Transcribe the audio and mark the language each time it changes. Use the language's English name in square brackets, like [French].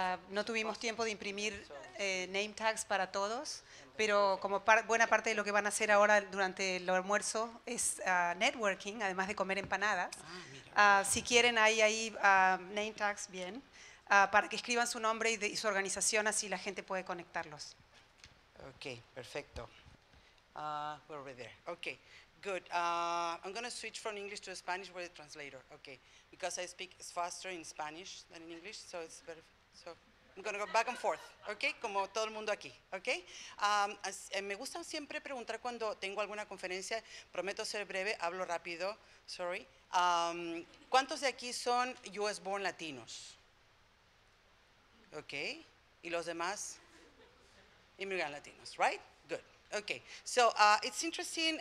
[Spanish] No tuvimos tiempo de imprimir name tags para todos, pero como buena parte de lo que van a hacer ahora durante el almuerzo es networking, además de comer empanadas. Si quieren, hay ahí name tags, bien, para que escriban su nombre y su organización, así la gente puede conectarlos. [English] Ok, perfecto. We're over there. Okay, good. I'm going to switch from English to Spanish with a translator. Okay, because I speak faster in Spanish than in English, so it's better. So I'm going to go back and forth. [Spanish] Okay, como todo el mundo aquí. Okay. Me gusta siempre preguntar cuando tengo alguna conferencia. Prometo ser breve. Hablo rápido. Sorry. ¿Cuántos de aquí son U.S. born Latinos? Okay. ¿Y los demás? [English] Immigrant Latinos, right? Good. Okay, so it's interesting.